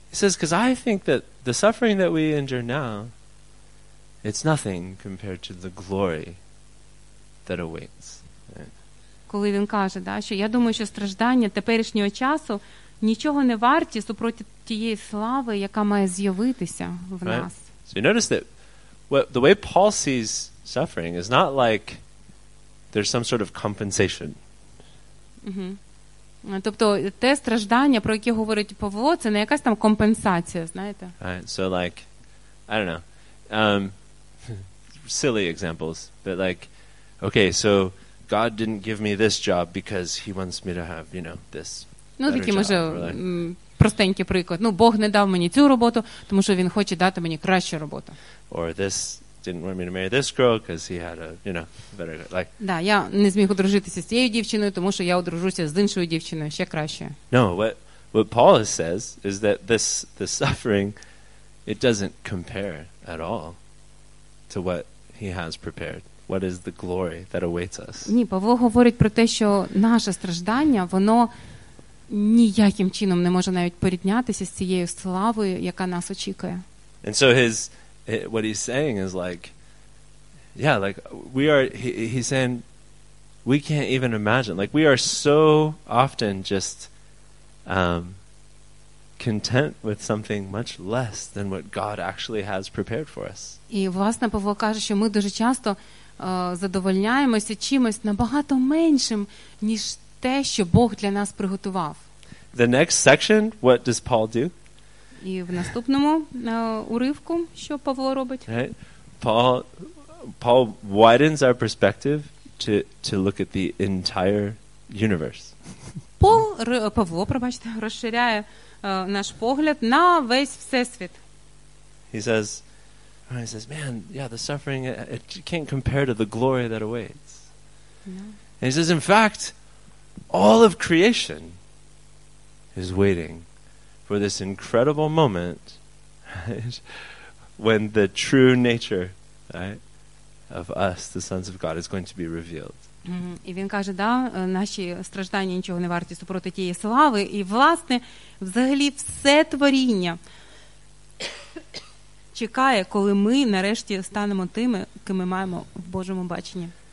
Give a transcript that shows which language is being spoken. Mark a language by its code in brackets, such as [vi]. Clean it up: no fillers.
[en] He says, because I think that the suffering that we endure now, it's nothing compared to the glory that awaits. [uk] Коли він каже, да, що я думаю, що страждання теперішнього часу нічого не варті супроти тієї слави, яка має з'явитися в нас. [en] So you notice that the way Paul sees suffering is not like there's some sort of compensation. [uk] Тобто те страждання, про яке говорить Павло, це не якась там компенсація, знаєте? [en] Right. So like, I don't know, silly examples, but like, okay, so God didn't give me this job because he wants me to have, you know, this. [uk] Ну, такий, може, простенький приклад. Ну, Бог не дав мені цю роботу, тому що він хоче дати мені кращу роботу. [en] Or this didn't want me to marry this girl because he had a, you know, better girl. Like, [uk] да, я не зміг одружитися з цією дівчиною, тому що я одружуся з іншою дівчиною, ще краще. [en] No, what Paul says is that this suffering, it doesn't compare at all to what he has prepared. What is the glory that awaits us? [uk] Ні, Павло говорить про те, що наше страждання, воно ніяким чином не може навіть порівнятися з цією славою, яка нас очікує. [en] And so his what he's saying is like, yeah, like we are, he's saying we can't even imagine, like we are so often just content with something much less than what God actually has prepared for us. [uk] І власне Павло каже, що ми дуже часто задовольняємося чимось набагато меншим, ніж те, що Бог для нас приготував. [en] The next section, what does Paul do? [uk] І в наступному уривку, що Павло робить? [en] Right. Paul widens our perspective to look at the entire universe. [uk] Павло розширяє наш погляд на весь Всесвіт. [en] He says, man, yeah, the suffering, it can't compare to the glory that awaits. Yeah. And he says, in fact, all of creation is waiting for this incredible moment, right, when the true nature, right, of us, the sons of God, is going to be revealed. [uk] І він каже, да, наші страждання нічого не варті супроти тієї слави, і власне, взагалі все творіння чекає, коли ми нарешті станемо тими, ким ми маємо в Божому баченні.